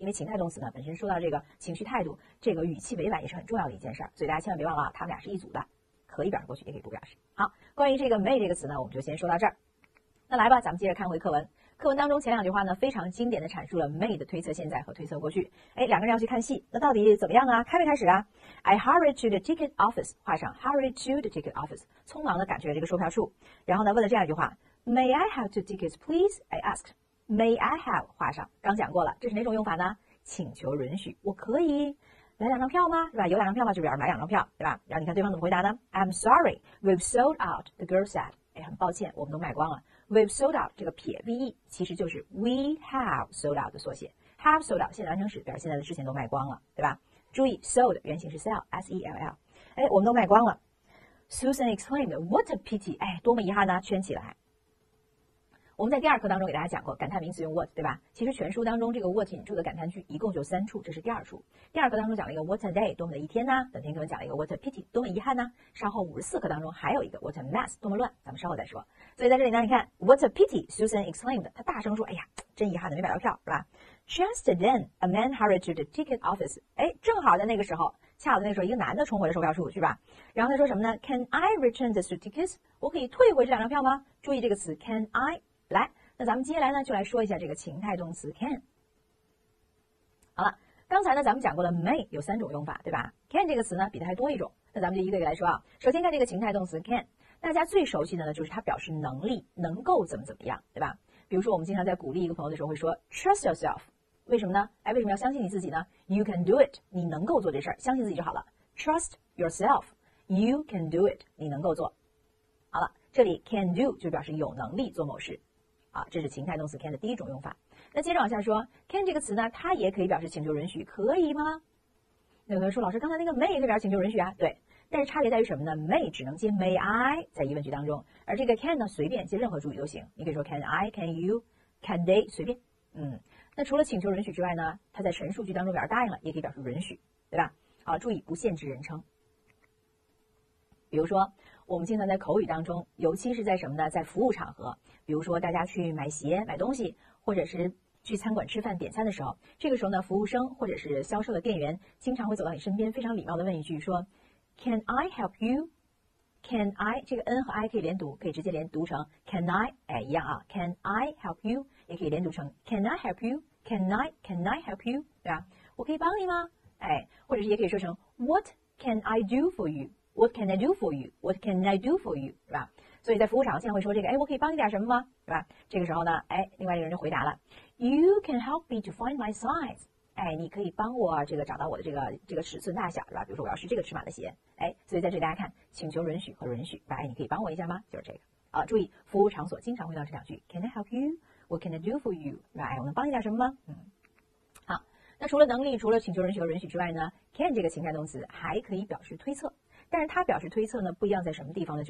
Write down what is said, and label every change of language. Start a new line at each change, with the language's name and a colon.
Chinese: 因为情态动词呢本身说到这个情绪态度，这个语气委婉也是很重要的一件事，所以大家千万别忘了啊，他们俩是一组的，可以表示过去也可以不表示。好，关于这个 may 这个词呢我们就先说到这儿。那来吧，咱们接着看回课文。课文当中前两句话呢非常经典的阐述了 may 的推测现在和推测过去。哎，两个人要去看戏，那到底怎么样啊？开没开始啊？
English: I hurried to the ticket office， 画上 hurried to the ticket office，
Chinese: 匆忙的赶去了这个售票处，然后呢问了这样一句话，
English: May I have two tickets please I askedMay I have，
Chinese: 画上，刚讲过了，这是哪种用法呢？请求允许，我可以来两张票吗？是吧？有两张票吗？就是要买两张票，对吧？然后你看对方怎么回答呢？
English: I'm sorry we've sold out， the girl said，
Chinese: 哎，很抱歉我们都卖光了。 we've sold out 这个撇 ve 其实就是
English: we have sold out
Chinese: 的缩写， have sold out 现在完成时表示现在的事情都卖光了，对吧？注意 sold 原型是 sell， S-E-L-L， 哎，我们都卖光了。
English: Susan exclaimed what a pity，
Chinese: 哎，多么遗憾呢，圈起来。我们在第二课当中给大家讲过感叹名词用 what， 对吧？其实全书当中这个 what 引出的感叹句一共就三处，这是第二处。第二课当中讲了一个
English: what a day，
Chinese: 多么的一天呢、啊、本篇课文讲了一个
English: what a pity，
Chinese: 多么遗憾呢、啊、稍后54课当中还有一个
English: what a mess，
Chinese: 多么乱，咱们稍后再说。所以在这里呢你看
English: what a pity Susan exclaimed，
Chinese: 她大声说，哎呀真遗憾的没买到票，是吧？
English: Just then, a man hurried to the ticket office.
Chinese: 哎，正好在那个时候，恰好在那个时候，一个男的冲回了售票处，是吧？然后他说什么呢
English: ？Can I return the two tickets?
Chinese: 我可以退回这两张票吗？注意这个词 ，can I。来，那咱们接下来呢，就来说一下这个情态动词 can。好了，刚才呢，咱们讲过了 may 有三种用法，对吧 ？can 这个词呢，比它还多一种。那咱们就一个一个来说啊。首先看这个情态动词 can， 大家最熟悉的呢，就是它表示能力，能够怎么怎么样，对吧？比如说我们经常在鼓励一个朋友的时候会说
English: trust yourself。
Chinese: 为什么呢？哎，为什么要相信你自己呢 ？
English: You can do it，
Chinese: 你能够做这事儿，相信自己就好了。
English: Trust yourself， you can do it，
Chinese: 你能够做。好了，这里 can do 就表示有能力做某事。好，这是情态动词 can 的第一种用法。那接着往下说 ，can 这个词呢，它也可以表示请求允许，可以吗？那有人说，老师刚才那个 may 可表示请求允许啊？对，但是差别在于什么呢 ？may 只能接 may I 在疑问句当中，而这个 can 呢，随便接任何主语都行，你可以说
English: can I， can you， can they，
Chinese: 随便。那除了请求允许之外呢，它在陈述句当中表示答应了，也可以表示允许，对吧？好，注意不限制人称。比如说，我们经常在口语当中，尤其是在什么呢？在服务场合，比如说大家去买鞋、买东西，或者是去餐馆吃饭点餐的时候，这个时候呢，服务生或者是销售的店员经常会走到你身边，非常礼貌地问一句说 ：
English: “Can I help you？”
Chinese: Can I 这个 N 和 I 可以连读，可以直接连读成 Can I？哎，一样啊。
English: Can I help you？
Chinese: 也可以连读成
English: Can I help you？Can I？ Can I help you？
Chinese: 对吧？我可以帮你吗？哎，或者是也可以说成
English: What can I do for you？ What can I do for you？ What can I do for you？ 对吧？
Chinese: 所以在服务场经常会说这个，哎，我可以帮你点什么吗？对吧？这个时候呢，哎，另外一个人就回答了
English: ，You can help me to find my size。
Chinese: 哎，你可以帮我这个找到我的这个尺寸大小，是吧？比如说我要是这个尺码的鞋，哎，所以在这里大家看，请求允许和允许，哎，你可以帮我一下吗？就是这个啊。注意，服务场所经常会到这两句 ，
English: Can I help you? What can I do for you?
Chinese: 是吧？哎，我能帮你点什么吗？好，那除了能力，除了请求允许和允许之外呢 ，can 这个情态动词还可以表示推测，但是它表示推测呢不一样在什么地方呢？